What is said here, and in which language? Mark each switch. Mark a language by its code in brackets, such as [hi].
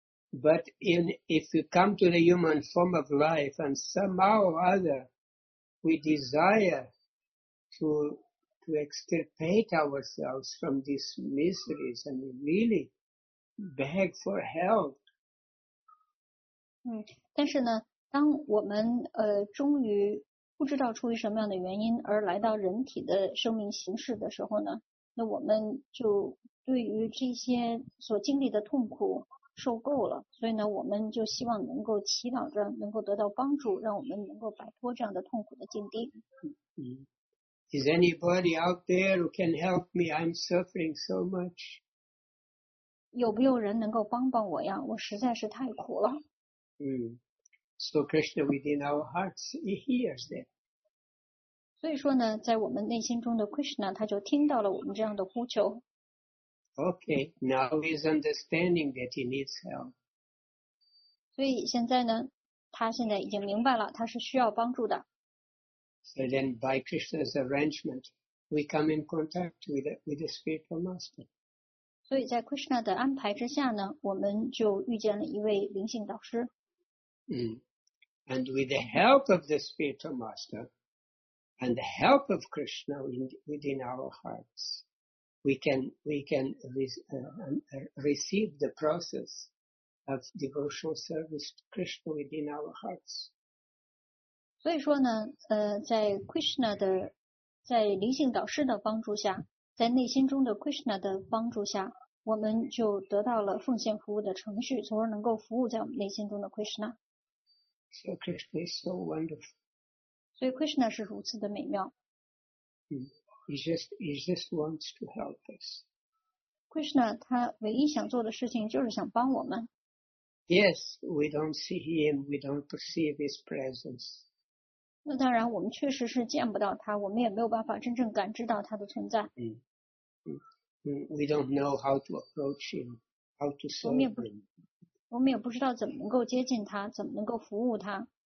[en] But if you come to the human form of life and somehow or other,We desire to extirpate ourselves from these miseries and really beg for help. [zh] 但是呢，当我们终于不知道出于什么样的原因而来到人体的生命形式的时候呢，那我们就对于这些所经历的痛苦受够了，所以呢，我们就希望能够祈祷着，能够得到帮助，让我们能够摆脱这样的痛苦的境地。 [en] Is anybody out there who can help me? I'm suffering so much. [zh] 有没有人能够帮帮我呀？我实在是太苦了。 [en] So Krishna within our hearts, he hears that. [zh] 所以说呢，在我们内心中的 Krishna 他就听到了我们这样的呼求。 [en] Okay, now he's understanding that he needs help. [zh] 所以现在呢，他现在已经明白了，他是需要帮助的。 [en] So then, by Krishna's arrangement, we come in contact with the spiritual master. [zh] 所以在 Krishna 的安排之下呢，我们就遇见了一位灵性导师。 [en] And with the help of the spiritual master and the help of Krishna within our hearts. We can receive the process of devotional service to Krishna within our hearts. [zh] 所以说呢，在 Krishna 的，在灵性导师的帮助下，在内心中的 Krishna 的帮助下，我们就得到了奉献服务的程序，从而能够服务在我们内心中的 Krishna. [en] So Krishna is so wonderful. [zh] 所以 Krishna 是如此的美妙。 [en] He just wants to help us. [zh] Krishna, 他唯一想做的事情就是想帮我们。 [en] Yes, we don't see him, we don't perceive his presence. [zh] 那当然，我们确实是见不到他，我们也没有办法真正感知到他的存在。 [en] We don't know how to approach him, how to serve him. [zh] 我们也不知道怎么能够接近他，怎么能够服务他。